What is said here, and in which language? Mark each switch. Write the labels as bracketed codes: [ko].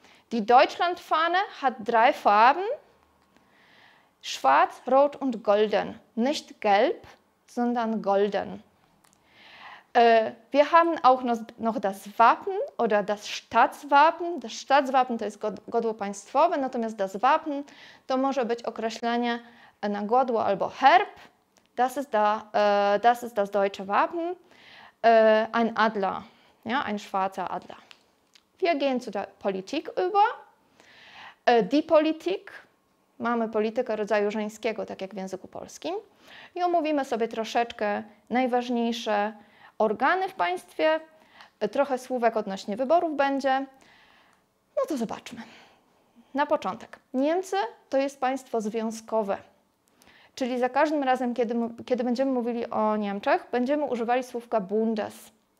[de] Die Deutschlandfahne hat drei Farben. Schwarz, rot und golden. Nicht gelb, sondern golden. Wir haben auch noch das Wappen oder das Staatswappen. [pl] Das Staatswappen to jest godło państwowe, natomiast das Wappen to może być określenie na godło albo herb. [de] Das ist das deutsche Wappen. Ein Adler, ja, ein schwarzer Adler. Wir gehen zu der Politik über. Die Politik. [pl] Mamy politykę rodzaju żeńskiego, tak jak w języku polskim. I omówimy sobie troszeczkę najważniejsze organy w państwie. Trochę słówek odnośnie wyborów będzie. No to zobaczmy. Na początek. Niemcy to jest państwo związkowe. Czyli za każdym razem, kiedy będziemy mówili o Niemczech, będziemy używali słówka Bundes.